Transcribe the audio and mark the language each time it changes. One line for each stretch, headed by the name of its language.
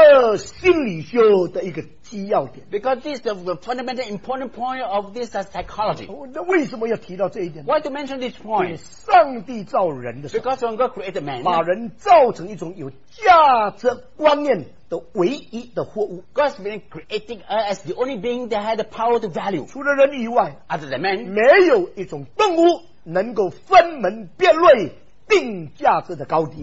Chinese: 这也就是许多人格心理学的一个基要点。
English: Because this is the fundamental important point of this psychology.
Chinese: 那为什么要提到这一点?
English: Why to mention this point?
Chinese: 上帝造人的时候,
English: because when God created man,
Chinese: 把人造成一种有价值观念的唯一的货物。
English: God's been creating us as the only being that had the power to value.
Chinese: 除了人以外,
English: other than man,
Chinese: 没有一种动物, 能够分门别类定价值的高低。